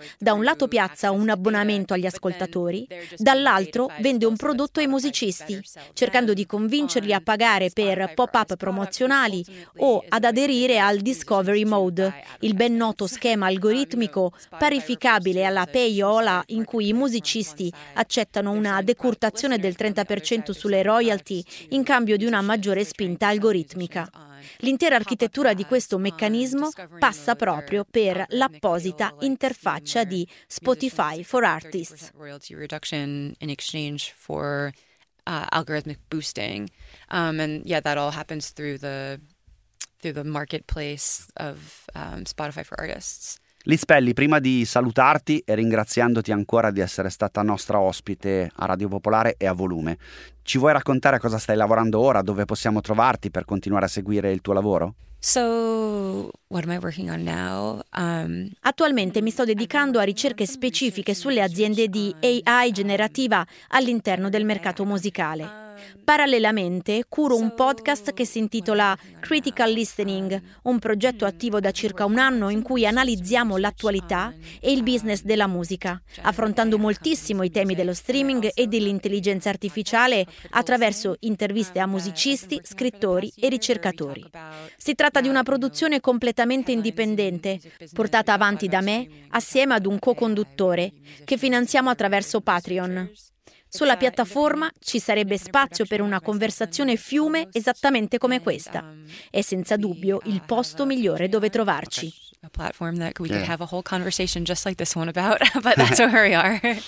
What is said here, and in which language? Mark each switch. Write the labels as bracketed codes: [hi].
[it] Da un lato piazza un abbonamento agli ascoltatori, dall'altro vende un prodotto ai musicisti, cercando di convincerli a pagare per pop-up promozionali o ad aderire al Discovery Mode, il ben noto schema algoritmico parificabile alla payola in cui i musicisti accettano una decurtazione del 30% sulle royalty in cambio di una maggiore spinta algoritmica. L'intera architettura di questo meccanismo passa proprio per l'apposita interfaccia di Spotify for Artists. [en] Royalty reduction in exchange for algorithmic boosting. That all happens through the marketplace of Spotify for Artists. [it] Liz Pelli, prima di salutarti e ringraziandoti ancora di essere stata nostra ospite a Radio Popolare e a Volume, ci vuoi raccontare a cosa stai lavorando ora, dove possiamo trovarti per continuare a seguire il tuo lavoro? [en] So, what am I working on now? [it] Attualmente mi sto dedicando a ricerche specifiche sulle aziende di AI generativa all'interno del mercato musicale. Parallelamente, curo un podcast che si intitola Critical Listening, un progetto attivo da circa un anno in cui analizziamo l'attualità e il business della musica, affrontando moltissimo i temi dello streaming e dell'intelligenza artificiale attraverso interviste a musicisti, scrittori e ricercatori. Si tratta di una produzione completamente indipendente, portata avanti da me assieme ad un co-conduttore che finanziamo attraverso Patreon. Sulla piattaforma ci sarebbe spazio per una conversazione fiume esattamente come questa. È senza dubbio il posto migliore dove trovarci. [en] A platform that we could have a whole conversation just like this one about, but that's where we are.